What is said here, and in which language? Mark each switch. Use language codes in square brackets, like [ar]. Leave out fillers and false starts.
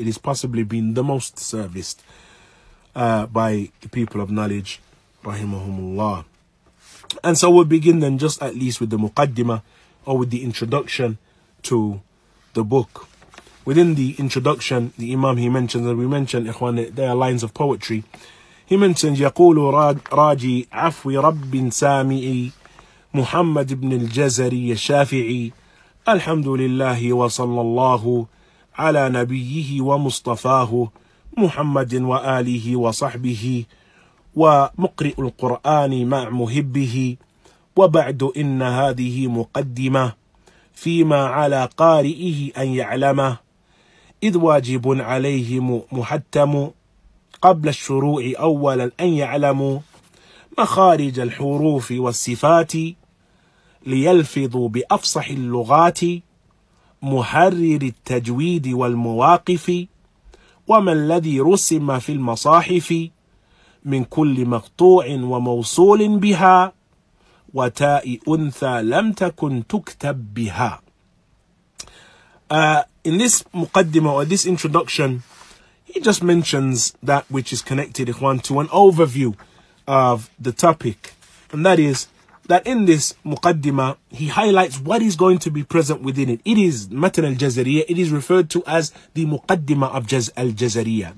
[en] It has possibly been the most serviced by the people of knowledge, rahimahumullah. And so we'll begin then just at least with the muqaddima, or with the introduction to the book. Within the introduction, the Imam, he mentions, as we mentioned, ikhwan, there are lines of poetry. [ar] He mentions, يَقُولُ رَاجِي عَفْوِ رَبِّ سَامِعِي مُحَمَّدِ بْنِ الْجَزَرِيَ الشَّافِعِي أَلْحَمْدُ لِلَّهِ وَصَلَّى اللَّهُ عَلَى نَبِيِّهِ وَمُصْطَفَاهُ مُحَمَّدٍ وَآلِهِ وَصَحْبِهِ وَمُقْرِئُ الْقُرْآنِ مَعْ مُهِبِّهِ وَبَعْدُ إِنَّ هَذِهِ مُقَدِّمَةٌ فيما على قارئه أن يعلمه إذ واجب عليه محتم قبل الشروع أولا أن يعلموا مخارج الحروف والصفات ليلفظوا بأفصح اللغات محرر التجويد والمواقف وما الذي رسم في المصاحف من كل مقطوع وموصول بها وتاء أنثى لم تكن تكتب بها. [en] In this muqaddimah, or this introduction, he just mentions that which is connected, ikhwan, to an overview of the topic. And that is that in this muqaddimah, he highlights what is going to be present within it. It is Matan al-Jazariyah. It is referred to as the muqaddimah of al-Jazariyah.